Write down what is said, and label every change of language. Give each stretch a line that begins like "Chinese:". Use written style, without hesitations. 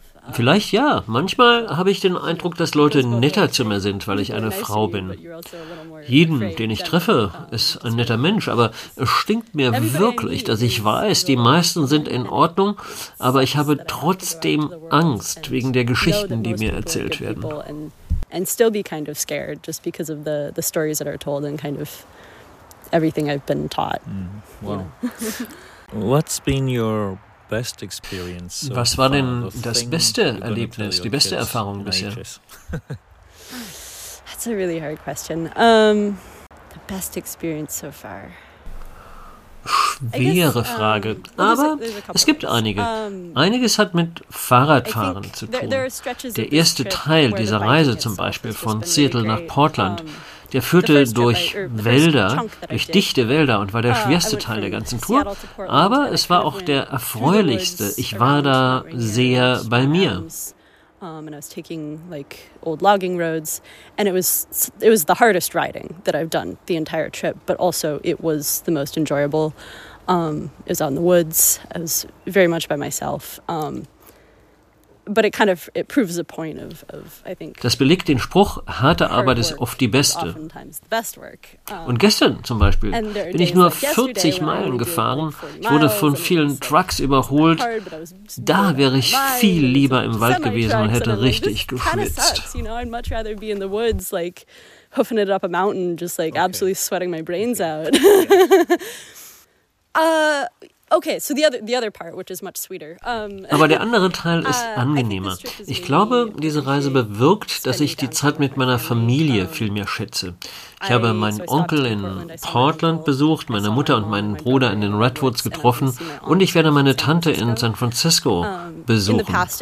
German: Vielleicht ja. Manchmal habe ich den Eindruck, dass Leute netter zu mir sind, weil ich eine Frau bin. Jeden, den ich treffe, ist ein netter Mensch, aber es stinkt mir wirklich, dass ich weiß, die meisten sind in Ordnung, aber ich habe trotzdem Angst wegen der Geschichten, die mir erzählt werden.
English: And still be kind of scared just because of the stories that are told and kind of everything I've been taught. What's been your best experience?
German: Was war denn das beste Erlebnis, die beste Erfahrung bisher?
English: That's a really hard question. The best experience so far.
German: Schwere Frage, aber es gibt einige. Einiges hat mit Fahrradfahren zu tun. Der erste Teil dieser Reise zum Beispiel von Seattle nach Portland, der führte durch Wälder, durch dichte Wälder und war der schwerste Teil der ganzen Tour, aber es war auch der erfreulichste. Ich war da sehr bei mir.
English: And I was taking like old logging roads, and it was the hardest riding that I've done the entire trip, but also it was the most enjoyable. It was out in the woods. I was very much by myself. but it kind of it proves a point of I think.
German: Das belegt den Spruch, harte Arbeit ist oft die beste. Und gestern zum Beispiel bin ich nur 40 Meilen gefahren. Ich wurde von vielen Trucks überholt. Da wäre ich viel lieber im Wald gewesen und hätte richtig geschwitzt.
English: I'd much rather be in the woods, like hoofing it up a mountain, just like absolutely sweating my brains out. Okay, so the other part, which is much sweeter.
German: Aber der andere Teil ist angenehmer. Ich glaube, diese Reise bewirkt, dass ich die Zeit mit meiner Familie viel mehr schätze. Ich habe meinen Onkel in Portland besucht, meine Mutter und meinen Bruder in den Redwoods getroffen und ich werde meine Tante in San Francisco besuchen.